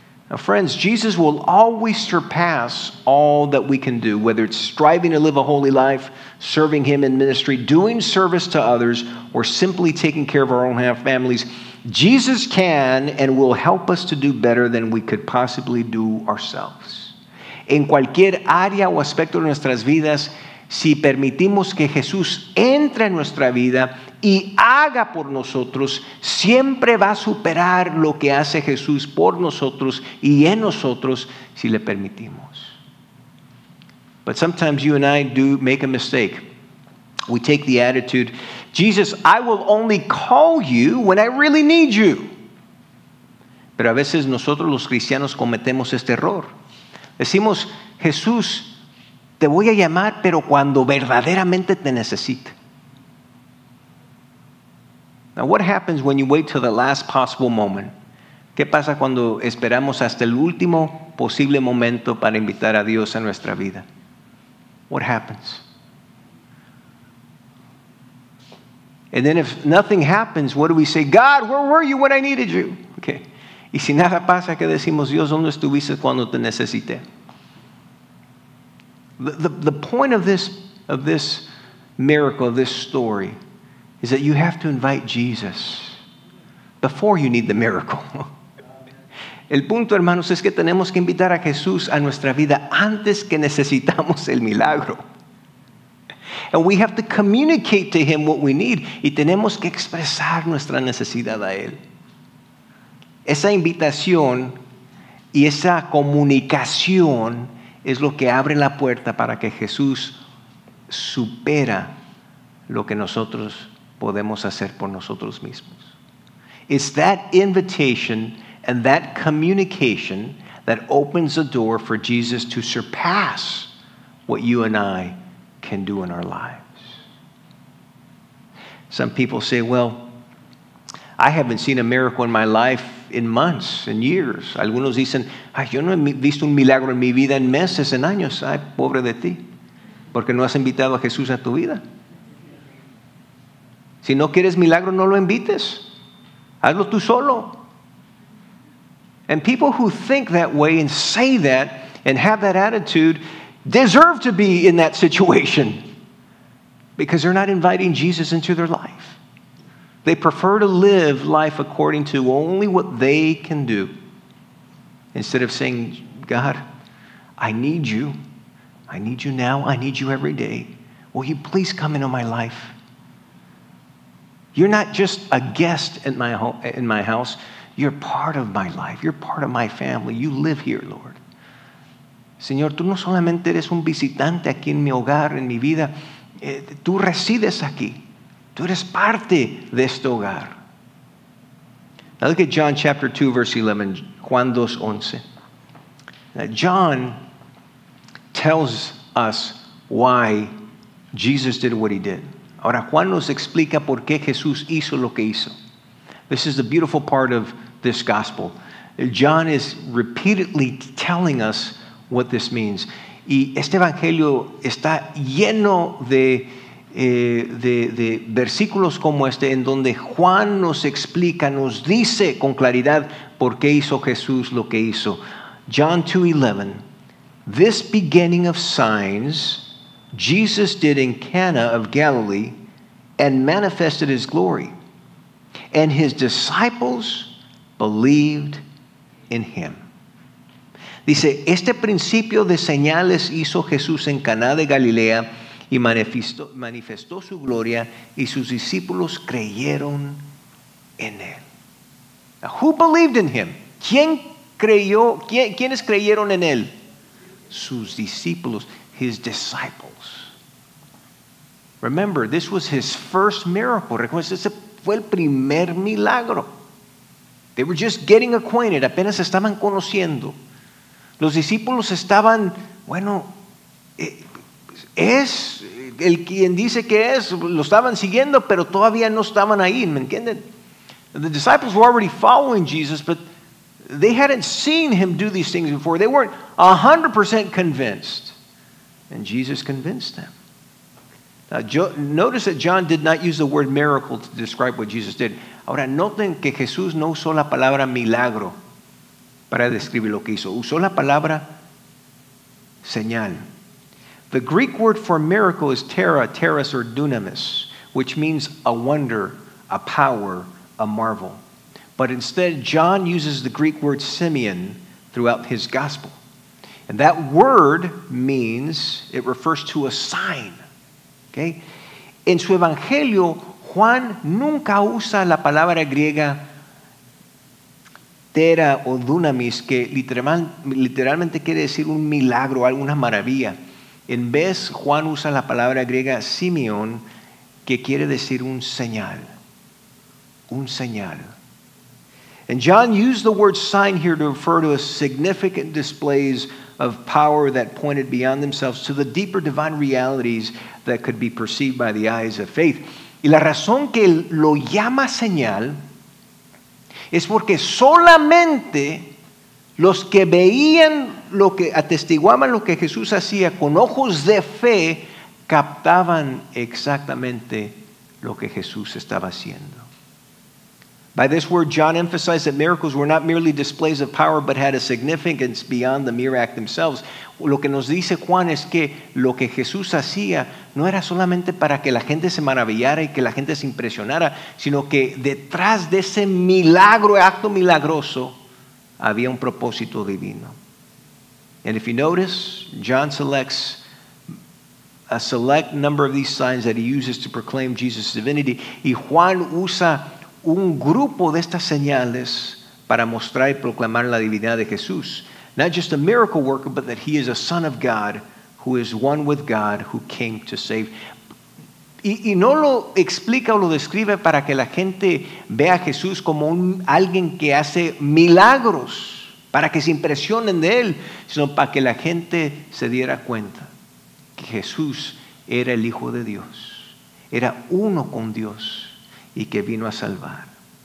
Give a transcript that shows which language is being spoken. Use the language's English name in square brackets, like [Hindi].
[English] Now, friends, Jesus will always surpass all that we can do, whether it's striving to live a holy life, serving him in ministry, doing service to others, or simply taking care of our own families. Jesus can and will help us to do better than we could possibly do ourselves. [Spanish] En cualquier área o aspecto de nuestras vidas, si permitimos que Jesús entre en nuestra vida y haga por nosotros, siempre va a superar lo que hace Jesús por nosotros y en nosotros si le permitimos. [English] But sometimes you and I do make a mistake. We take the attitude, Jesus, I will only call you when I really need you. [Spanish] Pero a veces nosotros los cristianos cometemos este error. Decimos, Jesús, te voy a llamar, pero cuando verdaderamente te necesite. [English] Now, what happens when you wait till the last possible moment? [Spanish] ¿Qué pasa cuando esperamos hasta el último posible momento para invitar a Dios a nuestra vida? [English] What happens? And then if nothing happens, what do we say? God, where were you when I needed you? Okay. [Spanish] Y si nada pasa, ¿qué decimos? Dios, ¿dónde estuviste cuando te necesité? [English] The point of this miracle, of this story, is that you have to invite Jesus before you need the miracle. [Spanish] El punto, hermanos, es que tenemos que invitar a Jesús a nuestra vida antes que necesitamos el milagro. [English] And we have to communicate to him what we need. [Spanish] Y tenemos que expresar nuestra necesidad a él. Esa invitación y esa comunicación es lo que abre la puerta para que Jesús supera lo que nosotros podemos hacer por nosotros mismos. [English] It's that invitation and that communication that opens the door for Jesus to surpass what you and I can do in our lives. Some people say, well, I haven't seen a miracle in my life in months and years. [Spanish] Algunos dicen, ay, yo no he visto un milagro en mi vida en meses, en años. Ay, pobre de ti. Porque no has invitado a Jesús a tu vida. Si no quieres milagro, no lo invites. Hazlo tú solo. [English] And people who think that way and say that and have that attitude deserve to be in that situation because they're not inviting Jesus into their life. They prefer to live life according to only what they can do instead of saying, God, I need you. I need you now. I need you every day. Will you please come into my life? You're not just a guest in my house. You're part of my life. You're part of my family. You live here, Lord. [Spanish] Señor, tú no solamente eres un visitante aquí en mi hogar, en mi vida. Tú resides aquí. Tú eres parte de este hogar. [English] Now look at John chapter 2, verse 11. Juan 2, 11. Now John tells us why Jesus did what he did. [Spanish] Ahora Juan nos explica por qué Jesús hizo lo que hizo. [English] This is the beautiful part of this gospel. John is repeatedly telling us what this means. [Spanish] Y este evangelio está lleno de versículos como este en donde Juan nos explica, nos dice con claridad por qué hizo Jesús lo que hizo. [English] John 2:11. This beginning of signs Jesus did in Cana of Galilee and manifested his glory. And his disciples believed in him. [Spanish] Dice, este principio de señales hizo Jesús en Caná de Galilea y manifestó su gloria y sus discípulos creyeron en él. [English] Now, who believed in him? [Spanish] ¿Quién creyó? ¿Quiénes creyeron en él? Sus discípulos, [English] his disciples. Remember, this was his first miracle. [Spanish] Recuerda, ese fue el primer milagro. [English] They were just getting acquainted. [Spanish] Apenas estaban conociendo. Los discípulos estaban, bueno, es el quien dice que es, lo estaban siguiendo, pero todavía no estaban ahí, ¿me entienden? [English] The disciples were already following Jesus, but they hadn't seen him do these things before. They weren't 100% convinced. And Jesus convinced them. Now, notice that John did not use the word miracle to describe what Jesus did. [Spanish] Ahora, noten que Jesús no usó la palabra milagro para describir lo que hizo. Usó la palabra señal. [English] The Greek word for miracle is tera, teras, or dunamis, which means a wonder, a power, a marvel. But instead, John uses the Greek word simeon throughout his gospel. And that word means, it refers to a sign. Okay? [Spanish] En su evangelio, Juan nunca usa la palabra griega tera o dunamis, que literalmente quiere decir un milagro, alguna maravilla. En vez, Juan usa la palabra griega simeon, que quiere decir un señal. Un señal. [English] And John used the word sign here to refer to a significant displays of power that pointed beyond themselves to the deeper divine realities that could be perceived by the eyes of faith. [Spanish] Y la razón que lo llama señal es porque solamente los que veían lo que atestiguaban lo que Jesús hacía con ojos de fe captaban exactamente lo que Jesús estaba haciendo. [English] By this word, John emphasized that miracles were not merely displays of power, but had a significance beyond the mere act themselves. [Spanish] Lo que nos dice Juan es que lo que Jesús hacía no era solamente para que la gente se maravillara y que la gente se impresionara, sino que detrás de ese milagro, acto milagroso, había un propósito divino. [English] And if you notice, John selects a select number of these signs that he uses to proclaim Jesus' divinity. [Spanish] Y Juan usa un grupo de estas señales para mostrar y proclamar la divinidad de Jesús. [English] Not just a miracle worker, but that he is a son of God, who is one with God, who came to save. [Spanish] Y no lo explica o lo describe para que la gente vea a Jesús como alguien que hace milagros, para que se impresionen de él, sino para que la gente se diera cuenta que Jesús era el Hijo de Dios, era uno con Dios, y que vino a salvar.